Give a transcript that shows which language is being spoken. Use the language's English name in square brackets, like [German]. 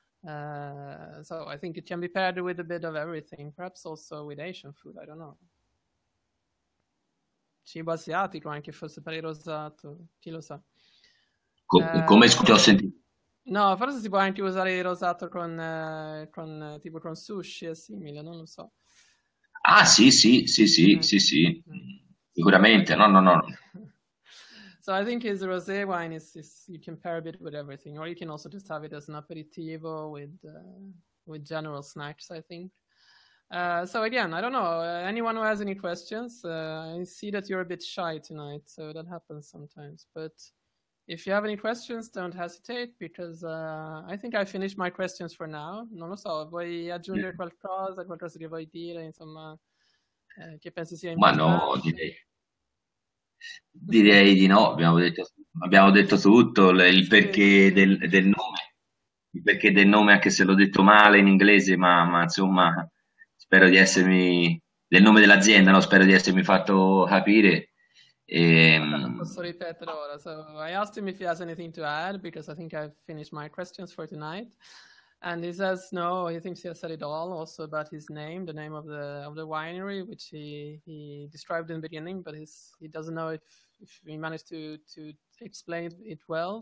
[English] So I think it can be paired with a bit of everything, perhaps also with Asian food, I don't know. [Italian] Cibo asiatico, anche forse per il rosato, chi lo sa. Come scusi, ho sentito. No, forse si può anche usare il rosato con tipo con sushi e simile, non lo so. Ah, sì, sicuramente. No, no, no. [English] So I think his rosé wine is you can pair a bit with everything, or you can also just have it as an aperitivo with general snacks, I think. So again, I don't know. Anyone who has any questions, I see that you're a bit shy tonight, so that happens sometimes. But if you have any questions, don't hesitate because I think I finished my questions for now. [Italian] Non lo so, vuoi aggiungere qualcosa, qualcosa che vuoi dire, insomma, che pensi sia Ma no, importante? direi di no. Abbiamo detto tutto il perché del nome, il perché del nome, anche se l'ho detto male in inglese, ma insomma, spero di essermi, del nome dell'azienda, no? Spero di essermi fatto capire. Vabbè, lo posso ripetere ora. [English] So I asked him if he has anything to add because I think I've finished my questions for tonight. And he says no, he thinks he has said it all, also about his name, the name of the winery, which he described in the beginning, but he doesn't know if he managed to explain it well.